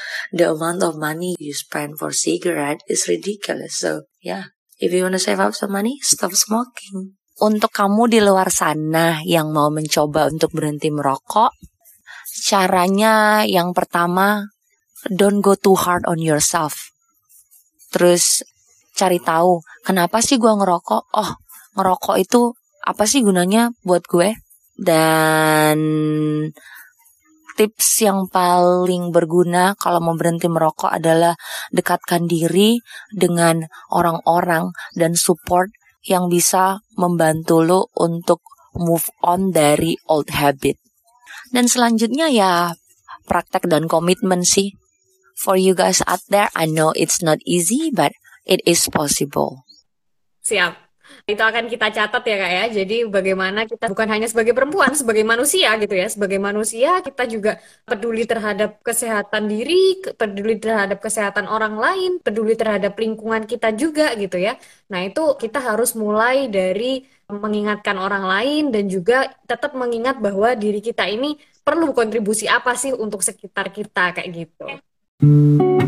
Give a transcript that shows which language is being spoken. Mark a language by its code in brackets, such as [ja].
[en] The amount of money you spend for cigarette is ridiculous. So, yeah, if you wanna save up some money, stop smoking. [id] Untuk kamu di luar sana yang mau mencoba untuk berhenti merokok, caranya yang pertama, [en] don't go too hard on yourself. [id] Terus cari tahu, kenapa sih gue ngerokok? Oh, ngerokok itu apa sih gunanya buat gue? Dan tips yang paling berguna kalau mau berhenti merokok adalah dekatkan diri dengan orang-orang dan support yang bisa membantu lo untuk move on dari old habit. Dan selanjutnya ya praktek dan komitmen sih. [en] For you guys out there, I know it's not easy, but it is possible. [id] Siap. Itu akan kita catat ya Kak ya. Jadi bagaimana kita bukan hanya sebagai perempuan, sebagai manusia gitu ya. Sebagai manusia kita juga peduli terhadap kesehatan diri, peduli terhadap kesehatan orang lain, peduli terhadap lingkungan kita juga gitu ya. Nah itu kita harus mulai dari mengingatkan orang lain dan juga tetap mengingat bahwa diri kita ini perlu kontribusi apa sih untuk sekitar kita kayak gitu.